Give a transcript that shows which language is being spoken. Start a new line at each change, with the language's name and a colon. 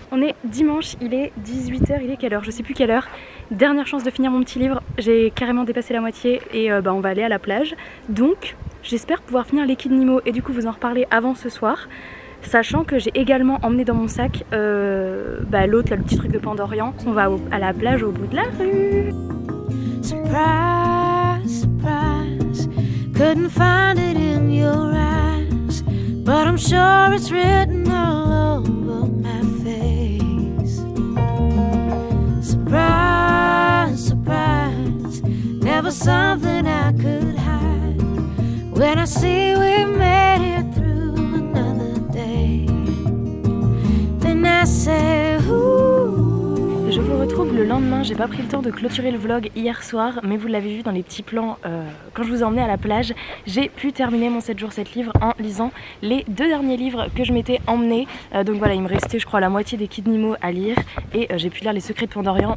French: On est dimanche, il est 18h, il est quelle heure, je sais plus quelle heure. Dernière chance de finir mon petit livre, j'ai carrément dépassé la moitié, et on va aller à la plage. Donc j'espère pouvoir finir les kits Nemo et du coup vous en reparler avant ce soir, sachant que j'ai également emmené dans mon sac l'autre, le petit truc de Pandorian. On va à la plage au bout de la rue. Surprise, surprise.
English: Couldn't find it in your eyes, but I'm sure it's written all over my face. Surprise, surprise, never something I could hide, when I see we made it through another day. Then I say, ooh.
French: Je vous retrouve le lendemain, j'ai pas pris le temps de clôturer le vlog hier soir, mais vous l'avez vu dans les petits plans quand je vous ai emmené à la plage. J'ai pu terminer mon 7 jours 7 livres en lisant les 2 derniers livres que je m'étais emmené. Donc voilà, il me restait je crois la moitié des Kids Nemo à lire, et j'ai pu lire Les Secrets de Pandorian.